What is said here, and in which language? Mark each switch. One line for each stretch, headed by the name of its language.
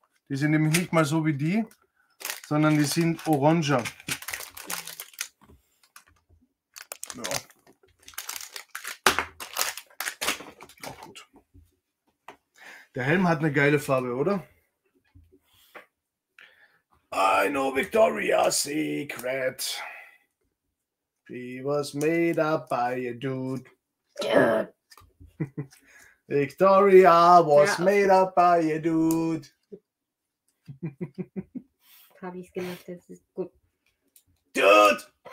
German: Die sind nämlich nicht mal so wie die, sondern die sind oranger. Ja. Auch gut. Der Helm hat eine geile Farbe, oder?
English: I know Victoria's Secret. She was made up by a dude. Victoria was made up by a dude.
German: Habe ich es gemacht, das ist gut.
English: Dude!